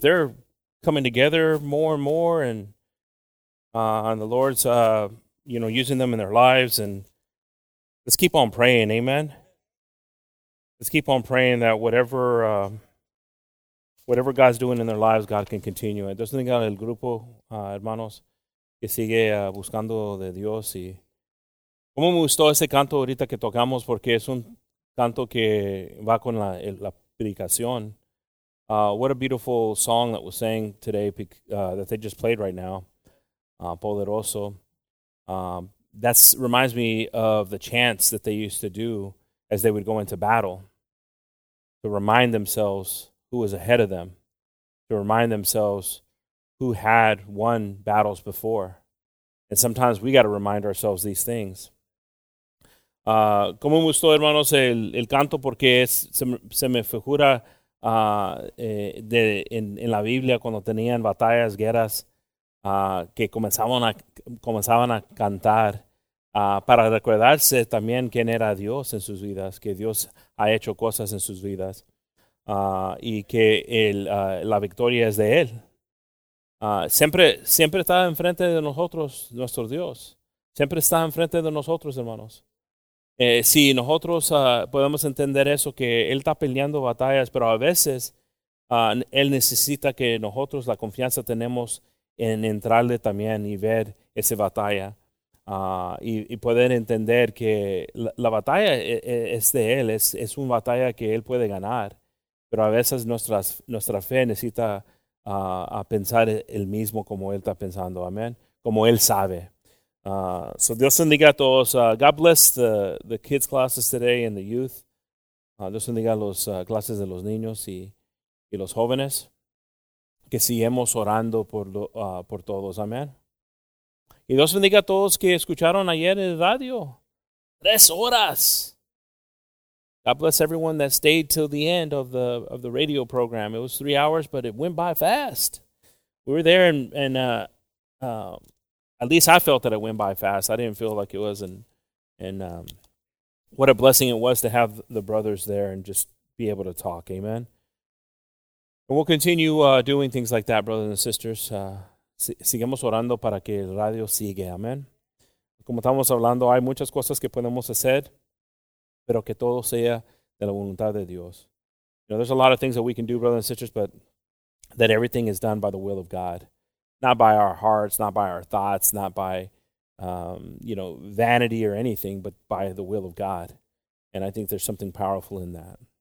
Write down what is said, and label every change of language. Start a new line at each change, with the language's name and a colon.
English: They're coming together more and more, and the Lord's using them in their lives. And let's keep on praying. Amen. Let's keep on praying that whatever God's doing in their lives, God can continue.
Spanish: Dios bendiga el grupo, hermanos, que sigue buscando de Dios. Y cómo me gustó ese canto ahorita que tocamos, porque es un canto que va con la predicación.
English: What a beautiful song that was sang today, that they just played right now.
Spanish: Poderoso.
English: That reminds me of the chants that they used to do as they would go into battle to remind themselves who was ahead of them, to remind themselves who had won battles before. And sometimes we got to remind ourselves these things.
Spanish: Como me gustó, hermanos, el canto, porque se me figura en la Biblia cuando tenían batallas, guerras, que comenzaban a cantar para recordarse también quién era Dios en sus vidas, que Dios ha hecho cosas en sus vidas. Y que la victoria es de Él. Siempre está enfrente de nosotros, nuestro Dios. Siempre está enfrente de nosotros, hermanos. Si nosotros podemos entender eso, que Él está peleando batallas, pero a veces Él necesita que nosotros la confianza tenemos en entrarle también y ver esa batalla. Y poder entender que la batalla es de Él, es una batalla que Él puede ganar. Pero a veces nuestra fe necesita a pensar el mismo como Él está pensando. Amén. Como Él sabe. So Dios bendiga a todos.
English: God bless the kids' classes today and the youth.
Spanish: Dios bendiga las clases de los niños y los jóvenes. Que sigamos orando por todos. Amén. Y Dios bendiga a todos que escucharon ayer en el radio. 3 horas.
English: God bless everyone that stayed till the end of the radio program. It was 3 hours, but it went by fast. We were there, and at least I felt that it went by fast. I didn't feel like it was, and what a blessing it was to have the brothers there and just be able to talk. Amen. And we'll continue doing things like that, brothers and sisters.
Spanish: Sigamos orando para que el radio siga. Amen. Como estamos hablando, hay muchas cosas que podemos hacer. Pero que todo sea de la voluntad de Dios.
English: You know, there's a lot of things that we can do, brothers and sisters, but that everything is done by the will of God. Not by our hearts, not by our thoughts, not by, vanity or anything, but by the will of God. And I think there's something powerful in that.